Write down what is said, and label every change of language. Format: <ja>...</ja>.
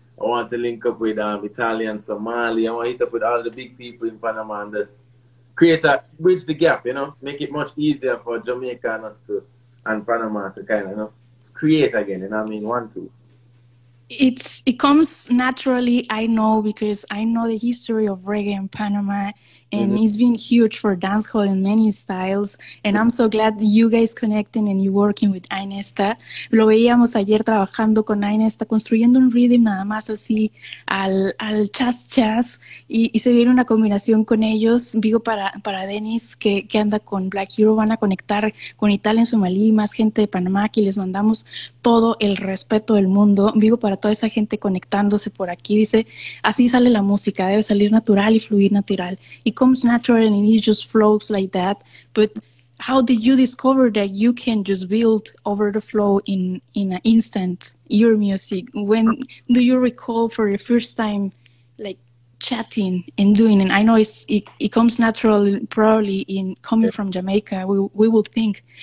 <en>I want to link up with Italian, Somali. I want to hit up with all the big people in Panama and just create a bridge the gap, you know, make it much easier for Jamaicans to and Panama to kind of, you know, create again. And I mean, want to. It comes naturally, I know, because I know the history of reggae in Panama, and mm-hmm. it's been huge for dancehall in many styles. And I'm so glad that you guys connecting and you working with Inesta.</en> <es>Lo veíamos ayer trabajando con Inesta, construyendo un rhythm nada más así al chas-chas, y se viene una combinación con ellos. Digo, para Dennis, que anda con Black Hero, van a conectar con Italia, Somalí, más gente de Panamá, que les mandamos todo el respeto del mundo. Digo, para toda esa gente conectándose por aquí, dice, así sale la música, debe salir natural y fluir natural.</es> <en>It comes natural and it just flows like that. But how did you discover that you can just build over the flow in an instant your music? When do you recall for the first time, like, chatting and doing? And I know it comes natural probably in coming from Jamaica, we will think.</en>